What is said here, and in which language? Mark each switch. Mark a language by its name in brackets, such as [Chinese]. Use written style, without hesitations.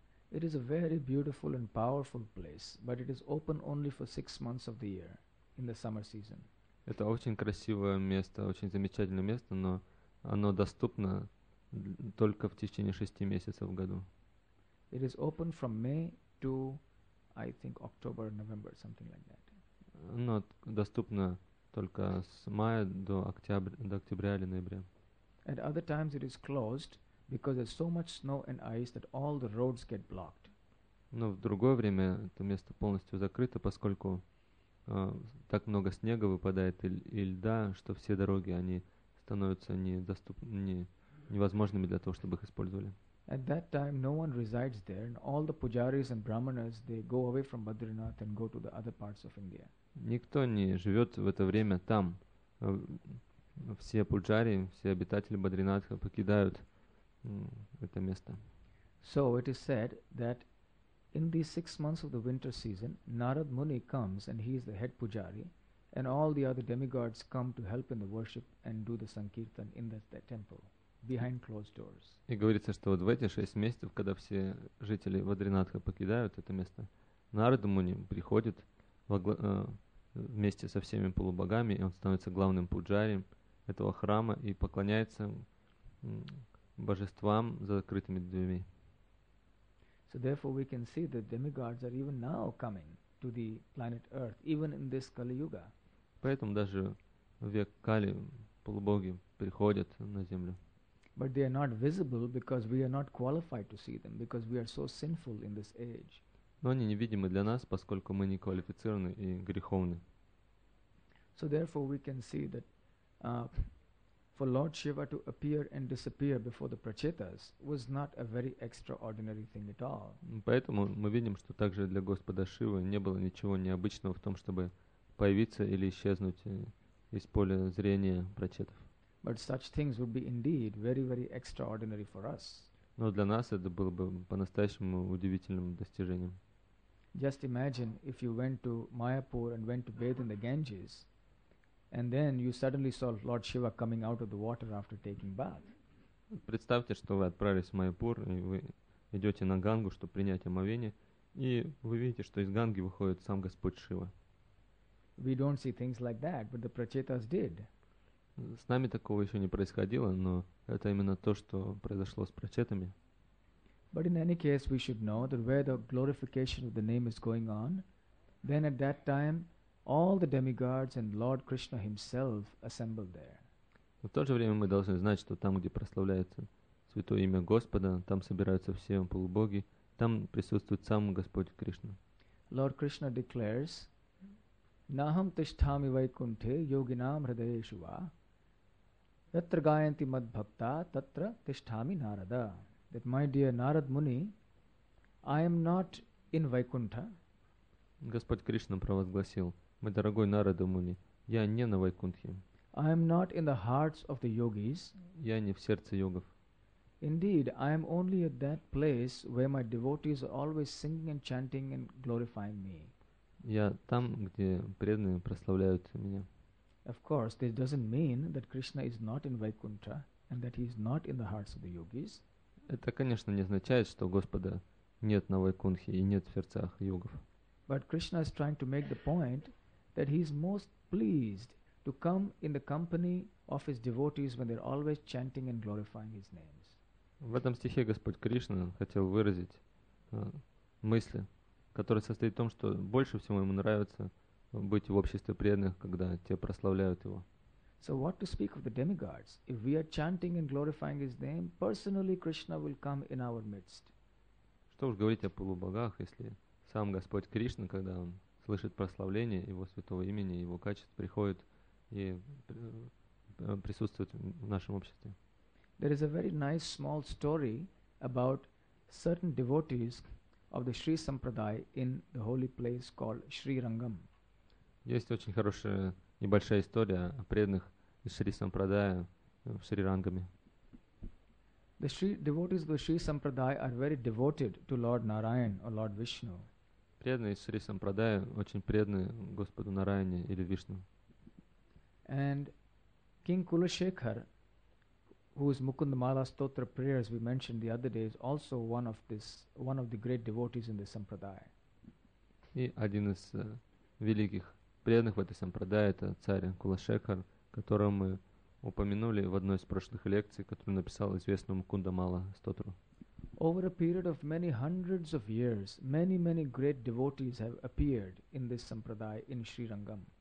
[English] It is a very beautiful and powerful place, but it is open only for 6 months of the year in the summer season. [Russian] Это очень красивое место, очень замечательное место, но оно доступно только в течение 6 месяцев в году. [English] It is open from May to, I think, October, November, something like that. [Russian] Оно доступно только с мая до октября или ноября. [English] At other times it is closed because there's so much snow and ice that all the roads get blocked. [Russian] Но в другое время это место полностью закрыто, поскольку так много снега выпадает и льда, что все дороги они становятся невозможными для того, чтобы их использовали. [English] At that time no one resides there and all the pujaris and brahmanas they go away from Badrinath and go to the other parts of India. [Russian] Никто не живёт в это время там. Все пуджари, все обитатели Бадринатха покидают это место. [English] So it is said that in these 6 months of the winter season, Narad Muni comes and he is the head pujari, and all the other demigods come to help in the worship and do the sankirtan in the temple behind closed doors. [Russian] И говорится, что вот в эти 6 месяцев, когда все жители Бадринатха покидают это место, Нарад Муни приходит вместе со всеми полубогами, и он становится главным пуджари этого храма и поклоняется божествам за закрытыми дверьми. [English] So therefore we can see that demigods are even now coming to the planet Earth, even in this Kali Yuga. [Russian] Поэтому даже в век Кали полубоги приходят на Землю. [English] But they are not visible because we are not qualified to see them, because we are so sinful in this age. [Russian] Но они невидимы для нас, поскольку мы не квалифицированы и греховны. [English] So therefore we can see that for Lord Shiva to appear and disappear before the Prachetas was not a very extraordinary thing at all. [Russian] Поэтому мы видим, что также для Господа Шивы не было ничего необычного в том, чтобы появиться или исчезнуть из поля зрения Прачетов. [English] But such things would be indeed very, very extraordinary for us. [Russian] Но для нас это было бы по-настоящему удивительным достижением. [English] Just imagine if you went to Mayapur and went to bathe in the Ganges, and then you suddenly saw Lord Shiva coming out of the water after taking bath. [Russian] Представьте, что вы отправились в Майяпур, и вы идете на Гангу, чтобы принять омовение, и вы видите, что из Ганги выходит сам Господь Шива. [English] We don't see things like that, but the Prachetas did. [Russian] С нами такого еще не происходило, но это именно то, что произошло с Прачетами. [English] But in any case, we should know that where the glorification of the name is going on, then at that time, all the demigods and Lord Krishna himself assembled there. [Russian] В то же время мы должны знать, что там, где прославляется святое имя Господа, там собираются все полубоги, там присутствует сам Господь Кришна. [English] Lord Krishna declares, [Sanskrit] Naham tishthami vaikunthe yoginam hridayeshuva yatra gayanti madbhakta tatra tishthami narada. [English] That my dear Narad Muni, I am not in Vaikuntha. [Russian] Господь Кришна провозгласил, мой дорогой Нарада Муни, я не на Вайкунтхе. [English] I am not in the hearts of the yogis. [Russian] Я не в сердце йогов. [English] Indeed, I am only at that place where my devotees are always singing and chanting and glorifying me. [Russian] Я там, где преданные прославляют меня. [English] Of course, this doesn't mean that Krishna is not in Vaikuntha and that he is not in the hearts of the yogis. [Russian] Это, конечно, не означает, что Господа нет на Вайкунтхе и нет в сердцах йогов. [English] But Krishna is trying to make the point that he is most pleased to come in the company of his devotees when they're always chanting and glorifying his names. [Russian] В этом стихе Господь Кришна хотел выразить мысль, которая состоит в том, что больше всего ему нравится быть в обществе преданных, когда те прославляют его. [English] So what to speak of the demigods? If we are chanting and glorifying his name, personally Krishna will come in our midst. [Russian] Что уж говорить о полубогах, если сам Господь Кришна, когда он слышит прославление Его святого имени, Его качеств, приходит и присутствует в нашем обществе. [English] There is a very nice small story about certain devotees of the Sri Sampradaya in the holy place called Sri Rangam. [Russian] Есть очень хорошая небольшая история о преданных из Шри Сампрадая в Шри Рангаме. [English] The Sri devotees of the Sri Sampradaya are very devoted to Lord Narayan or Lord Vishnu. [Russian] Преданные из Шри Сампрадая очень преданы Господу Нараяне или Вишну. [English] And King Kulashekhar, whose Mukunda Mala Stotra prayers we mentioned the other day, is also one of the great devotees in the Sampradaya. [Russian] И один из великих преданных в этой Сампрадае — это царь Кулашекар, которого мы упомянули в одной из прошлых лекций, которую написал известному Мукунда Мала Стотру. [English] Over a period of many hundreds of years, many great devotees have appeared in this Sampradaya in Sri Rangam.